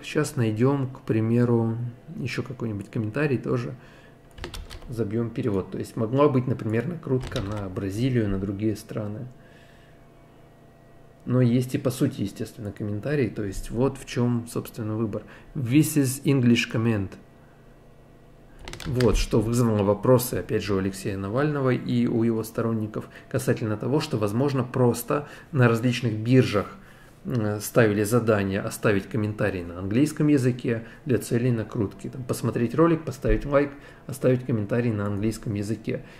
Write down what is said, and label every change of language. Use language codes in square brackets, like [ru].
[ru] Сейчас найдем, к примеру, еще какой-нибудь комментарий, тоже забьем перевод. То есть могла быть, например, накрутка на Бразилию, на другие страны. Но есть и по сути, естественно, комментарий. То есть вот в чем, собственно, выбор. [en] This is English comment. [ru] Вот, что вызвало вопросы, опять же, у Алексея Навального и у его сторонников касательно того, что, возможно, просто на различных биржах ставили задание оставить комментарий на английском языке для целей накрутки. Там посмотреть ролик, поставить лайк, оставить комментарий на английском языке.